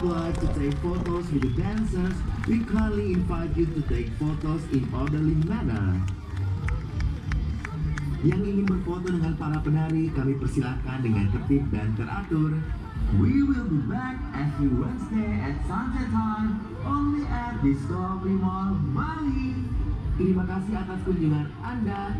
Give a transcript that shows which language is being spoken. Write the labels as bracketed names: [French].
[English] like to take photos with the dancers, we kindly invite you to take photos in orderly manner. [Indonesian] Yang ingin berfoto dengan para penari, kami persilakan dengan tertib dan teratur. [English] We will be back every Wednesday at sunset time, only at Discovery Mall, Bali. [Indonesian] Terima kasih atas kunjungan Anda.